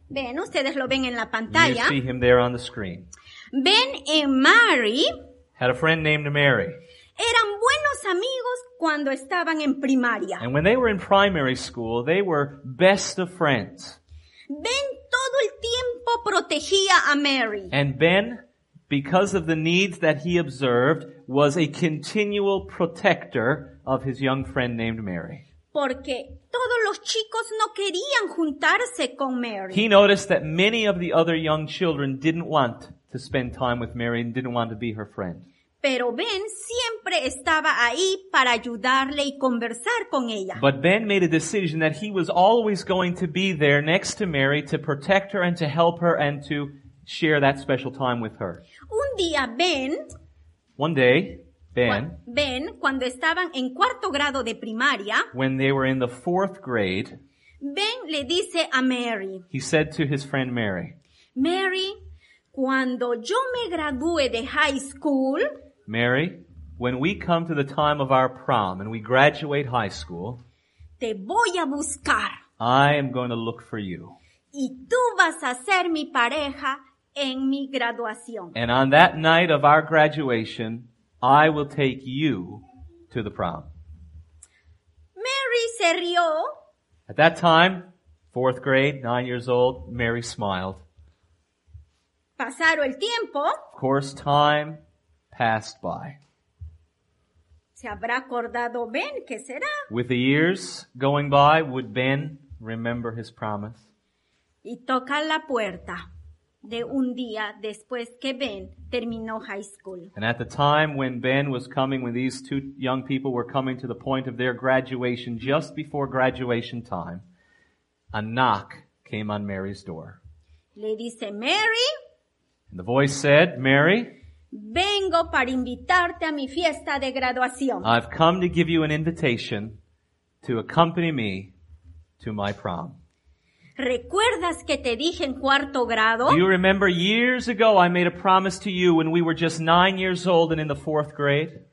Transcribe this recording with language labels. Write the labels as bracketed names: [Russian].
[Spanish] Ben, ustedes lo ven en la pantalla. [English] You see him there on the screen. Ben and Mary had a friend named Mary. [Spanish] Eran buenos amigos cuando estaban en primaria. [English] And when they were in primary school, they were best of friends. [Spanish] Ben todo el tiempo protegía a Mary. [English] And Ben, because of the needs that he observed, was a continual protector of his young friend named Mary. [Spanish] Porque todos los chicos no querían juntarse con Mary. [English] He noticed that many of the other young children didn't want to spend time with Mary and didn't want to be her friend. [Spanish] Pero Ben siempre estaba ahí para ayudarle y conversar con ella. [English] But Ben made a decision that he was always going to be there next to Mary to protect her and to help her and to share that special time with her. [Spanish] Un día Ben, [English] one day, [Spanish] Ben, cuando estaban en cuarto grado de primaria, [English] when they were in the fourth grade, [Spanish] Ben le dice a Mary, [English] he said to his friend Mary, [Spanish] Mary, cuando yo me gradúe de high school, [English] Mary, when we come to the time of our prom and we graduate high school, [Spanish] te voy a buscar. [English] I am going to look for you. [Spanish] Y tú vas a ser mi pareja en mi graduación. [English] And on that night of our graduation, I will take you to the prom. [Spanish] Mary se rió. [English] At that time, fourth grade, 9 years old, Mary smiled. [Spanish] Pasaron el tiempo. [English] Of course, time passed by. [Spanish] ¿Se habrá acordado Ben? ¿Qué será? [English] With the years going by, would Ben remember his promise? [Spanish] Y toca la puerta. De un día después que Ben terminó high school. [English] And at the time when Ben was coming, when these two young people were coming to the point of their graduation, just before graduation time, a knock came on Mary's door. [Spanish] Le dice, Mary. [English] And the voice said, Mary. [Spanish] Vengo para invitarte a mi fiesta de graduación. [English] I've come to give you an invitation to accompany me to my prom. [Spanish] ¿Recuerdas que te dije en cuarto grado? [English] Do you remember years ago I made a promise to you when we were just 9 years old and in the fourth grade?